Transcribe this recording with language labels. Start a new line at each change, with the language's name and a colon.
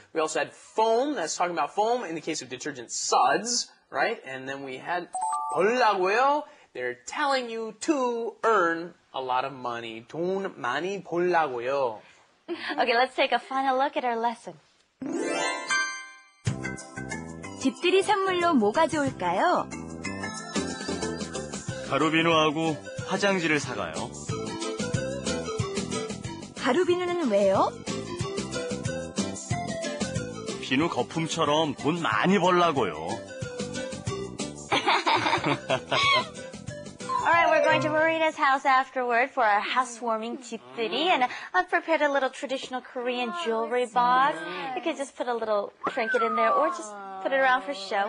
English: We also had foam, that's talking about foam in the case of detergent suds, right? And then we had 벌라고요, they're telling you to earn a lot of money.
Korean: 돈 많이 벌라고요.
English: Okay, let's take a final look at our lesson.
Korean: 집들이 선물로 뭐가 좋을까요? 가루비누하고 화장지를 사가요. 가루 비누는 왜요? 비누 거품처럼 돈 많이 벌라고요.
English: All right, we're going to Marina's house afterward for our housewarming 집들이. And I've prepared a little traditional Korean jewelry box. Nice. You could just put a little trinket in there or just put it around for show.